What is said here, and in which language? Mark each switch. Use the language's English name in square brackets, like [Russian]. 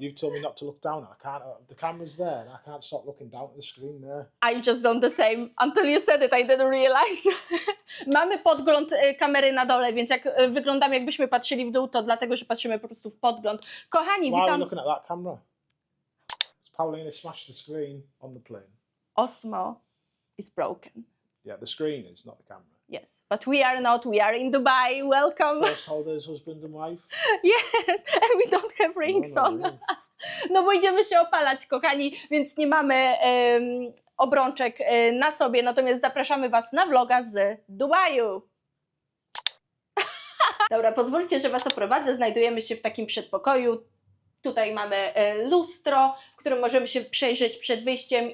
[English] You've told me not to look down. I can't. The camera's there, and I can't stop looking down at the screen there. I just done the same. Until you said it, I didn't realize. [Polish] Mamy podgląd kamery na dole, więc jak wyglądamy, jakbyśmy patrzyli w dół, to dlatego, że patrzymy po prostu w podgląd. Kochani, [English] why [Polish] witam. [English] Why are you looking at that camera? Paulina smashed the screen on the plane. Osmo is broken. Yeah, the screen is not the camera. Yes, but we are not. We are in Dubai. Welcome. First holders, husband and wife. Yes, and we don't have rings on. [Polish] No bo idziemy się opalać, kochani, więc nie mamy obrączek na sobie. Natomiast zapraszamy Was na vloga z Dubaju. Dobra, pozwólcie, że Was oprowadzę. Znajdujemy się w takim przedpokoju. Tutaj mamy lustro, w którym możemy się przejrzeć przed wyjściem.